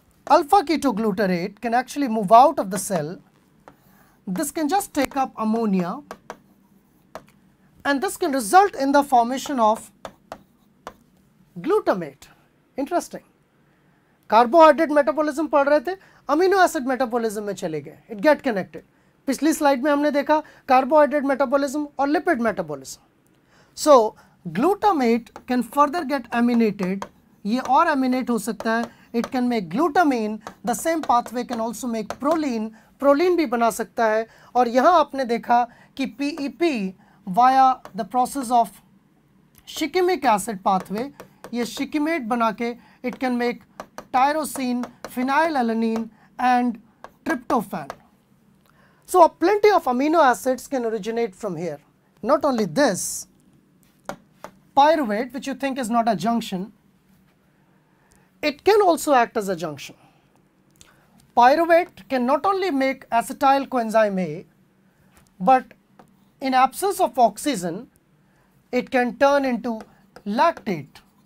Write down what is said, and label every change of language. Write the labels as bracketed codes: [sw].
[en] Alpha ketoglutarate can actually move out of the cell. This can just take up ammonia, and this can result in the formation of glutamate. [hi] Interesting. Carbohydrate metabolism पढ़ रहे थे. Amino acid metabolism में चले गए, [en] It get connected. [hi] पिछली slide में हमने देखा कार्बोहाइड्रेट मेटाबॉलिज्म और lipid metabolism. [en] so glutamate can further get aminated, [hi] ये और एमिनेट हो सकता है. [en] it can make glutamine, the same pathway can also make proline, [hi] proline भी बना सकता है. और यहाँ आपने देखा कि [en] P E P via the process of shikimic acid pathway, [hi] ये शिकिमेट बना के [en] It can make tyrosine, phenylalanine and tryptophan. So plenty of amino acids can originate from here. Not only this, pyruvate, which you think is not a junction, it can also act as a junction. Pyruvate can not only make acetyl coenzyme A, but in absence of oxygen, it can turn into lactate.